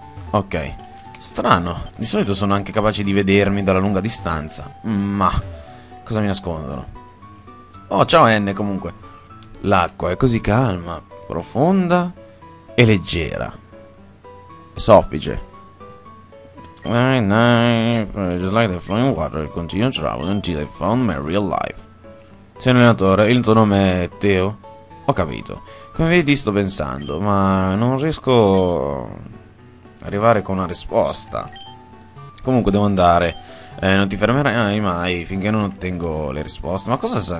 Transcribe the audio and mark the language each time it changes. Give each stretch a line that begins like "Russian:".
Italian: Ok. Strano, di solito sono anche capaci di vedermi dalla lunga distanza. Ma cosa mi nascondono? Oh, ciao N, comunque. L'acqua è così calma, profonda e leggera. Soffice.
English: Just like the flowing water, continue traveling until I found my real life.
Italian: Sei un allenatore, il tuo nome è Teo? Ho capito. Come vedi, sto pensando, ma non riesco a arrivare con una risposta. Comunque, devo andare. Non ti fermerai mai finché non ottengo le risposte. Ma cosa sa?